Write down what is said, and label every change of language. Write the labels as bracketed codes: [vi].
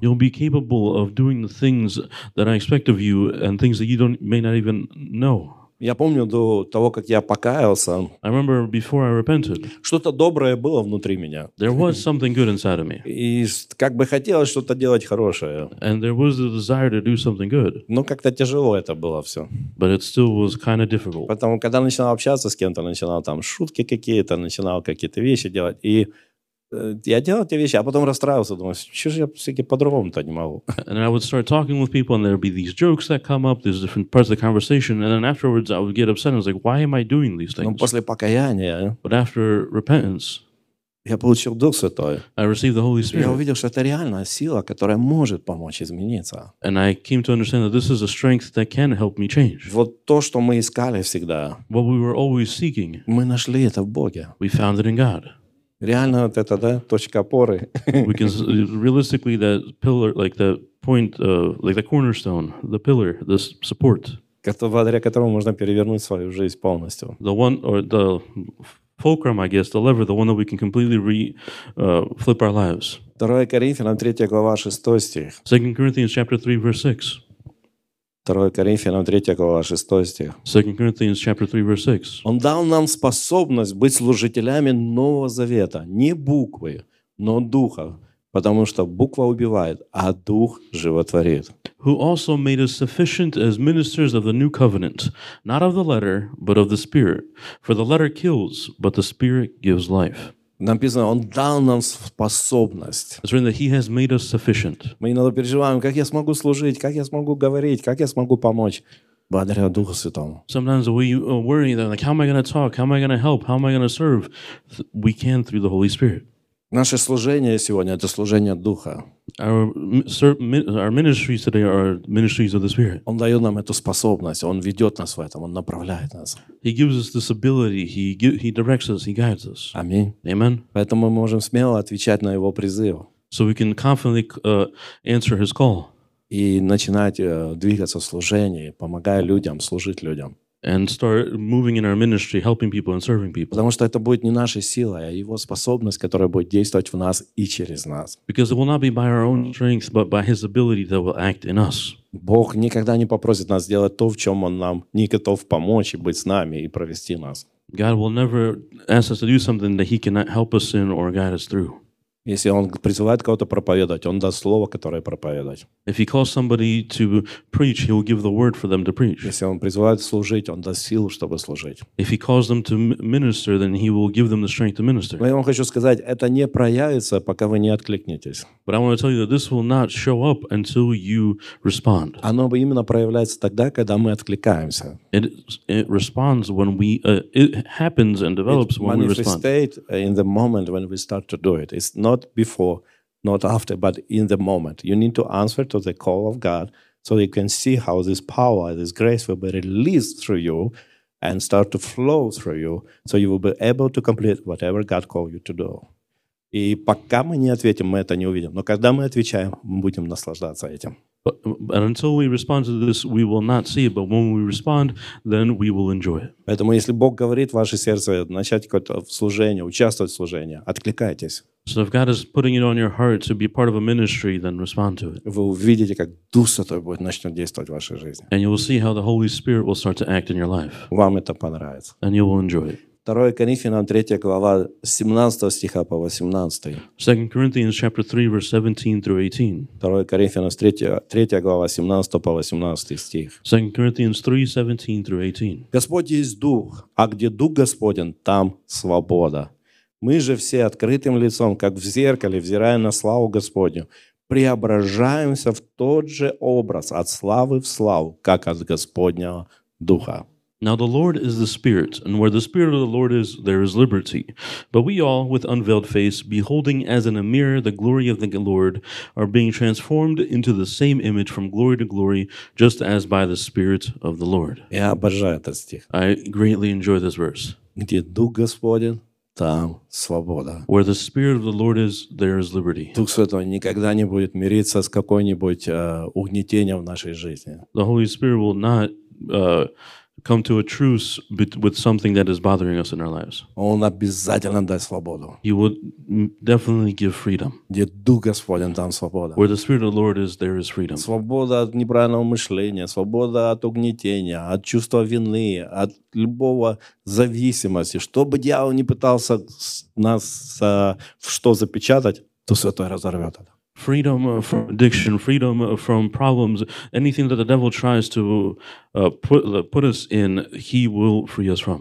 [en] You'll be capable of doing the things that I expect of you and things that you don't, may not even know. [ru] Я помню до того, как я покаялся. [en] I remember before I repented. [ru] Что-то доброе было внутри меня. [en] There was something good inside of me. [ru] И как бы хотелось что-то делать хорошее. [en] And there was a desire to do something good. [ru] Но как-то тяжело это было все. [en] But it still was kind of difficult. [ru] Потому когда начинал общаться с кем-то, начинал там шутки какие-то, начинал какие-то вещи делать, и я делал те вещи, а потом расстраивался, думаю, что же я все-таки по-другому-то не могу. [en] And I would start talking with people, and there would be these jokes that come up, these different parts of the conversation, and then afterwards I would get upset, and I was like, why am I doing these things? [ru] Но после покаяния, [en] but after repentance, [ru] я получил Дух Святой. [en] I received the Holy Spirit. [ru] Я увидел, что это реальная сила, которая может помочь измениться. [en] And I came to understand that this is a strength that can help me change. [ru] Вот то, что мы искали всегда, [en] what we were always seeking, [ru] мы нашли это в Боге. [en] We found it in God. [ru] Реально вот это, да, точка опоры. [en] We can realistically that pillar, like the point, like the cornerstone, the pillar, the support. [ru] Благодаря которому можно перевернуть свою жизнь полностью. [en] The one or the fulcrum, I guess, the lever, the one that we can completely flip our lives. [ru] 2 Коринфянам 3 глава 6 стих. [en] 2 Corinthians chapter 3 verse 6. [ru] 2 Коринфянам 3 глава 6 стих. [en] 2 Corinthians chapter 3 verse 6. [ru] Он дал нам способность быть служителями Нового Завета, не буквы, но духа, потому что буква убивает, а дух животворит. [en] Who also made us sufficient as ministers of the new covenant, not of the letter, but of the spirit, for the letter kills, but the spirit gives life. [ru] Написано, он дал нам способность. Мы иногда переживаем, как я смогу служить, как я смогу говорить, как я смогу помочь. Благодаря Духу Святому. [en] Sometimes we worry that, like, how am I going to talk, how am I going to help, how am I going to serve? We can through the Holy Spirit. [ru] Наше служение сегодня — это служение Духа. [en] Our ministries today are ministries of the Spirit. [ru] Он дает нам эту способность, он ведет нас в этом, он направляет нас. [en] He gives us this ability, he directs us, he guides us. [ru] Аминь. [en] Amen. [ru] Поэтому мы можем смело отвечать на его призыв. [en] So we can confidently answer his call. [ru] И начинать двигаться в служении, помогая людям, служить людям. [en] And start moving in our ministry, helping people and serving people. [ru] Потому что это будет не наша сила, а его способность, которая будет действовать в нас и через нас. [en] Because it will not be by our own strength, but by his ability that will act in us. [ru] Бог никогда не попросит нас сделать то, в чем он нам не готов помочь и быть с нами и провести нас. [en] God will never ask us to do something that he cannot help us in or guide us through. [ru] Если он призывает кого-то проповедовать, он даст слово, которое проповедовать. [en] If he calls somebody to preach, he will give the word for them to preach. [ru] Если он призывает служить, он даст силу, чтобы служить. [en] If he calls them to minister, then he will give them the strength to minister. [ru] Но я вам хочу сказать, это не проявится, пока вы не откликнетесь. [en] But I want to tell you that this will not show up until you respond. [ru] Оно именно проявляется тогда, когда мы откликаемся. [en] It responds when we it happens and develops it when we respond. Manifests in the moment when we start to do it. It's not before, not after, but in the moment. You need to answer to the call of God so you can see how this power, this grace will be released through you and start to flow through you so you will be able to complete whatever God called you to do. [ru] И пока мы не ответим, мы это не увидим. Но когда мы отвечаем, мы будем наслаждаться этим. [en] But until we respond to this, we will not see it. But when we respond, then we will enjoy it. [ru] Поэтому если Бог говорит в ваше сердце начать какое-то служение, участвовать в служении, откликайтесь. [en] So if God is putting it on your heart to be part of a ministry, then respond to it. [ru] Вы увидите, как Дух Святой будет начнет действовать в вашей жизни. [en] And you will see how the Holy Spirit will start to act in your life. [ru] Вам это понравится. [en] And you will enjoy it. [ru] 2 Коринфянам 3 глава 17 стиха по 18. [en] 2 Corinthians chapter 3 verse 17 through 18. [ru] 2 Коринфянам 3 глава 17 по 18 стих. [en] 2 Corinthians 3 17 through 18. [ru] Господь есть Дух, а где Дух Господень, там свобода. Мы же все открытым лицом, как в зеркале, взирая на славу Господню, преображаемся в тот же образ от славы в славу, как от Господнего Духа. [en] Now the Lord is the Spirit, and where the Spirit of the Lord is, there is liberty. But we all, with unveiled face, beholding as in a mirror the glory of the Lord, are being transformed into the same image from glory to glory, just as by the Spirit of the Lord. [ru] Я обожаю этот стих. [en] I greatly enjoy this verse. [ru] Где Дух Господен, там свобода. [en] Where the Spirit of the Lord is, there is liberty. [ru] Дух Святой никогда не будет мириться с какой-нибудь угнетением в нашей жизни. [en] The Holy Spirit will not come to a truce with something that is bothering us in our lives. [ru] Он обязательно даст свободу. [en] He will definitely give freedom. [ru] Где Дух Господень, там свобода. [en] Where the Spirit of the Lord is, there is freedom. [ru] Свобода от неправильного мышления, свобода от угнетения, от чувства вины, от любого зависимости. Что бы дьявол ни пытался нас в что запечатать, то Святой разорвет это. [en] Freedom from addiction, freedom from problems, anything that the devil tries to put us in, he will free us from.